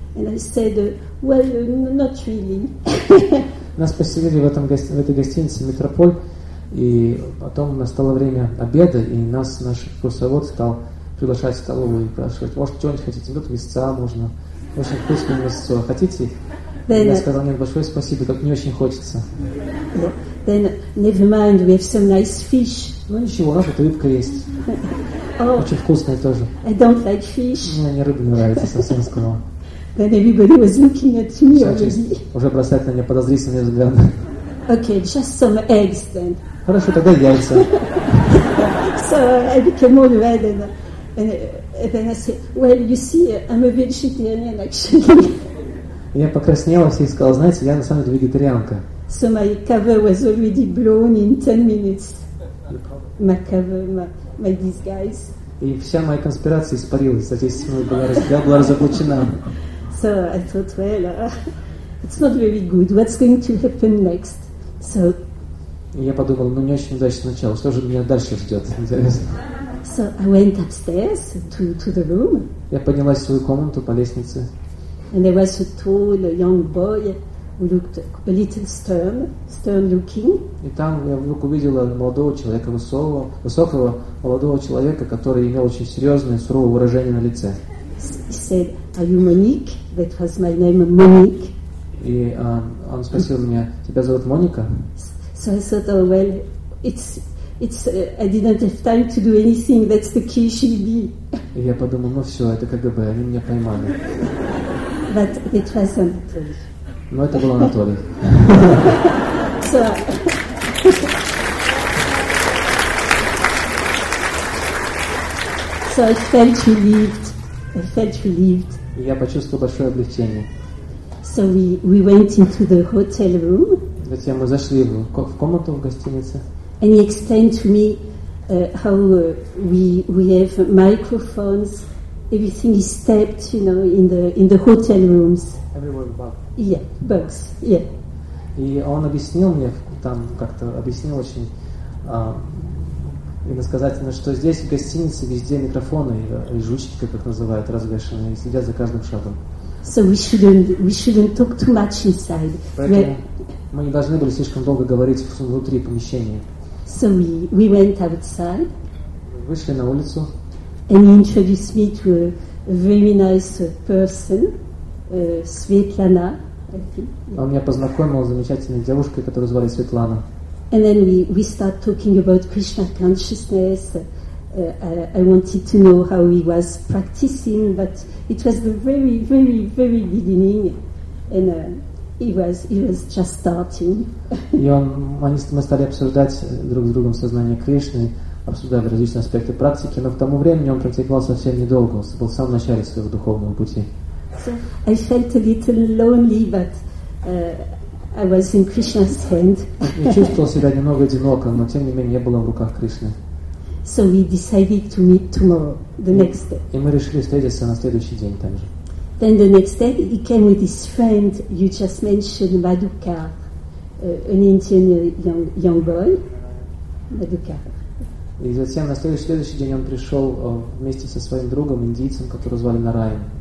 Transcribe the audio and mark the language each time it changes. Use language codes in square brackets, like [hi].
[en] And I said, well, not really. [ru] Нас поселили в этом в этой гостинице Метрополь, и потом настало время обеда, и нас наш курсовод стал приглашать в столовую и спрашивать, может, что-нибудь хотите? Тут мясца можно, очень вкусное мясцо. Хотите? Then, я сказал, нет, большое спасибо, как не очень хочется. [en] Then, never mind, we have some nice fish. [ru] Ну ничего, у нас тут рыбка есть. Oh, очень вкусная тоже. [en] I don't like fish. [ru] Мне не рыба не нравится, совсем скоро. [en] Then everybody was looking at me already. [ru] Уже бросает на меня подозрительный взгляд. [en] Okay, just some eggs then. [ru] Хорошо, тогда яйца. [en] So I became all red and then I said, well, you see, I'm a vegetarian actually. [ru] Я покраснела и сказала, знаете, я на самом деле вегетарианка. [en] So my cover was already blown in 10 minutes. My cover, my disguise. [ru] И вся моя конспирация испарилась, за 10 минут была разоблачена. [en] So I thought, well, it's not very good. What's going to happen next? So. [ru] Я подумал, ну не очень удачное начало. Что же меня дальше ждет? [en] So I went upstairs to the room. [ru] Я поднялась в свою комнату по лестнице. [en] And there was a tall, young boy who looked a little stern looking. [ru] И там я вдруг увидела молодого человека высокого молодого человека, который имел очень серьезное суровое выражение на лице. [en] He said, "Are you Monique?" That was my name, Monique. [ru] И он спросил меня, тебя зовут Моника? [en] So I thought, oh, well, it's I didn't have time to do anything. That's the KGB. [ru] И я подумал, ну все, это КГБ, они меня поймали. [en] But it was Anatoly. [ru] Но это был Анатолий. [en] So. So I felt relieved. I felt relieved. [ru] Я почувствовал большое облегчение. [en] So we went into the hotel room. [ru] Затем мы зашли в комнату в гостинице. [en] And he explained to me how we have microphones. Everything is taped, you know, in the hotel rooms. Everywhere bugs. Yeah, bugs. Yeah. [ru] И он объяснил мне там как-то объяснил очень. Иносказательно, что здесь, в гостинице, везде микрофоны и жучки, как называют, развешаны, и следят за каждым шагом. [en] So we shouldn't talk too much inside. [ru] Мы не должны были слишком долго говорить внутри помещения. [en] So we went outside. [ru] Вышли на улицу. [en] And he introduced me to a very nice person, Светлана. [ru] Он меня познакомил с замечательной девушкой, которую звали Светлана. [en] And then we start talking about Krishna consciousness. I wanted to know how he was practicing, but it was the very, very, very beginning, and he was just starting. [ru] И мы стали обсуждать друг с другом сознание Кришны, обсуждали различные аспекты практики, но к тому времени он практиковал совсем недолго, он был в самом начале своего духовного пути. [en] So I felt a little lonely, but. I was in Krishna's hand. [ru] Я чувствовал себя немного одиноко, но тем не менее я была в руках Кришны. [en] So we decided to meet tomorrow, the next day. [ru] И мы решили встретиться на следующий день также. [en] Then the next day he came with his friend you just mentioned, Madhukar, an Indian young boy, Madhukar. [ru] И затем на следующий день он пришел вместе со своим другом индийцем, которого звали Нараян.